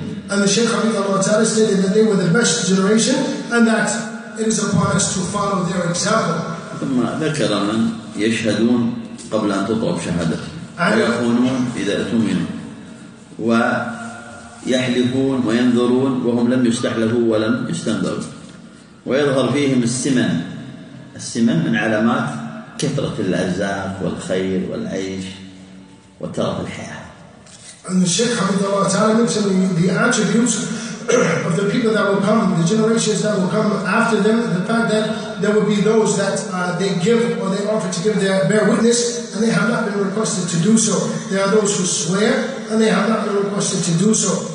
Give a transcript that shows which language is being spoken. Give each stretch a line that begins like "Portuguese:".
English: And the Shaykh حفظه الله تعالى stated that they were the best generation, and that it is upon us to follow their example.
Arabic: ثم ذكر من يشهدون قبل أن تطلب شهادة ويخونون إذا أتمنوا ويحلفون وينذرون وهم لم يستحلفوا ولم يستنذروا ويظهر فيهم السمن. السمن من علامات كثرة الأرزاق والخير والعيش وترف الحياة.
English: And the Shaykh حفظه الله تعالى mentioned the attributes of the people that will come, the generations that will come after them, the fact that there will be those that they give or they offer to give their bear witness and they have not been requested to do so. There are those who swear and they have not been requested to do so.